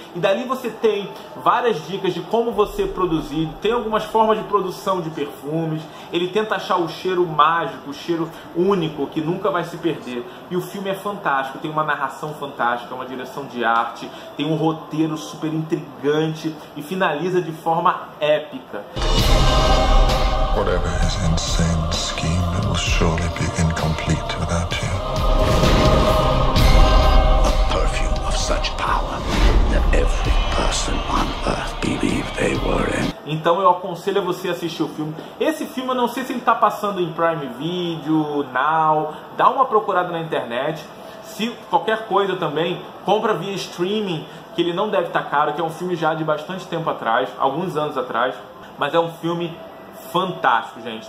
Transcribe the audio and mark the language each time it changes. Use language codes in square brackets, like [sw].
[pt] E dali você tem várias dicas de como você produzir, tem algumas formas de produção de perfumes. Ele tenta achar o cheiro mágico, o cheiro único, que nunca vai se perder. E o filme é fantástico, tem uma narração fantástica, uma direção de arte, tem um roteiro super intrigante e finaliza de forma épica. [en] Whatever his insane scheme, it will surely be incomplete without you. A perfume of such power that every person on earth believed they were in. [pt] Então eu aconselho a você assistir o filme. Esse filme eu não sei se ele está passando em Prime Video, Now. Dá uma procurada na internet. Se qualquer coisa também, compra via streaming, que ele não deve estar caro, que é um filme já de bastante tempo atrás, alguns anos atrás, mas é um filme fantástico, gente.